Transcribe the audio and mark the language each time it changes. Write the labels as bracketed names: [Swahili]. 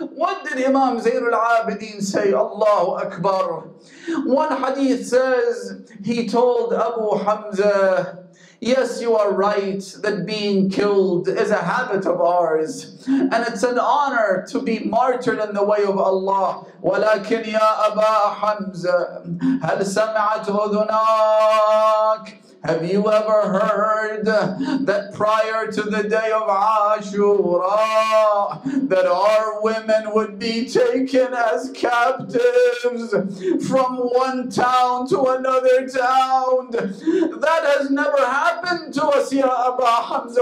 [English] What did Imam Zain al-Abidin say? Allahu Akbar. One hadith says he told Abu Hamza, yes, you are right that being killed is a habit of ours, and it's an honor to be martyred in the way of Allah. [Arabic] ولكن يا أبا حمزة هل سمعت أذناك [English] Have you ever heard that prior to the day of Ashura, that our women would be taken as captives from one town to another town? That has never happened to us, Ya Aba Hamza.